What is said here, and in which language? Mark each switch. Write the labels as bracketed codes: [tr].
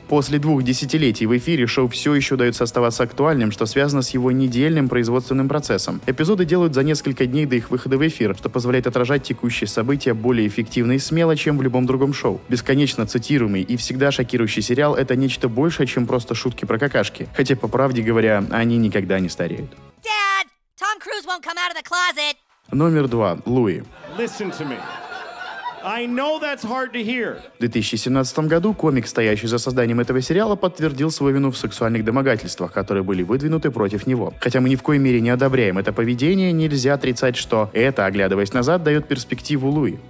[ru] После 2 десятилетий в эфире шоу все еще удается оставаться актуальным, что связано с его недельным производственным процессом. Эпизоды делают за несколько дней до их выхода в эфир, что позволяет отражать текущие события более эффективно и смело, чем в любом другом шоу. Бесконечно цитируемый и всегда шокирующий сериал — это нечто большее, чем просто шутки про какашки. Хотя, по правде говоря, они никогда не стареют. [en] Dad, Tom Cruise won't come out of the closet. [ru] Номер 2. Луи. [en] Listen to me. I know that's hard to hear. [ru] В 2017 году комик, стоящий за созданием этого сериала, подтвердил свою вину в сексуальных домогательствах, которые были выдвинуты против него. Хотя мы ни в коей мере не одобряем это поведение, нельзя отрицать, что это, оглядываясь назад, дает перспективу Луи.